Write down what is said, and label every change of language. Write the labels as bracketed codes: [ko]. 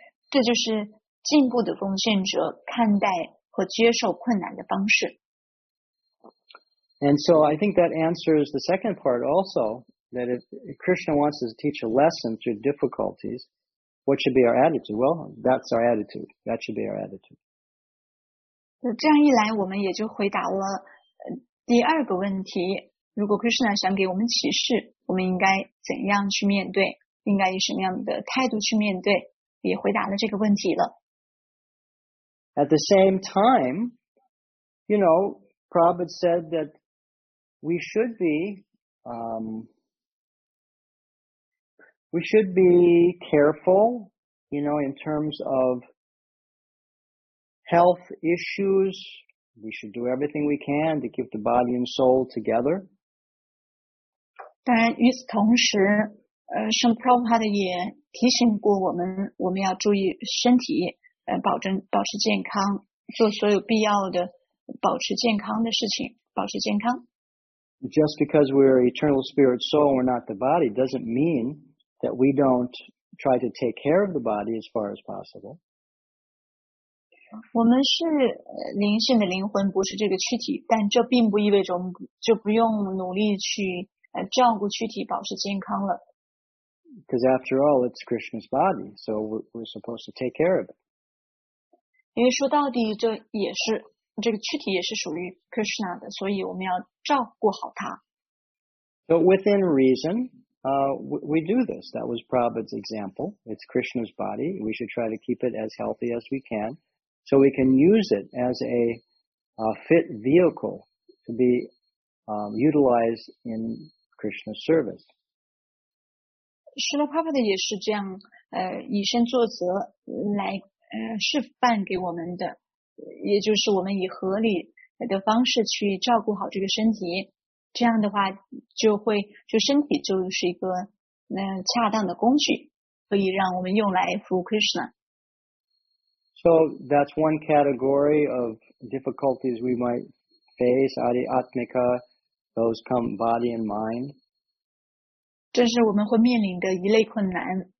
[zh] 这就是进步的奉献者看待和接受困难的方式。 [en] And so I think that answers the second part also, that if Krishna wants us to teach a lesson through difficulties, what should be our attitude? Well, that's our attitude. That should be our attitude. [zh] 这样一来我们也就回答了第二个问题，如果 Krishna 想给我们启示，我们应该怎样去面对，应该以什么样的态度去面对，也回答了这个问题了。 [en] At the same time, you know, Prabhupada said that we should be, careful, you know, in terms of health issues. We should do everything we can to keep the body and soul together. [zh] 当然与此同时，圣Prabhupada也提醒过我们，我们要注意身体。保持健康，做所有必要的保持健康的事情，保持健康。 [en] Just because we're eternal spirit soul and we're not the body doesn't mean that we don't try to take care of the body as far as possible. [zh] 我们是灵性的灵魂，不是这个躯体，但这并不意味着我们就不用努力去照顾躯体，保持健康了。 [en] Because after all, it's Krishna's body, so we're supposed to take care of it. [zh] 因为说到底这也是这个躯体也是属于 Krishna 的，所以我们要照顾好它。 [en] So within reason, we do this. That was Prabhupada's example. It's Krishna's body. We should try to keep it as healthy as we can so we can use it as a fit vehicle to be utilized in Krishna's service. [zh] Srila Prabhupada 也是这样以身作则来示范给我们的，也就是我们以合理的方式去照顾好这个身体，这样的话就身体就是一个恰当的工具，可以让我们用来服务 Krishna。 [en] So that's one category of difficulties we might face, adi atmika, those come body and mind. [zh] 这是我们会面临的一类困难。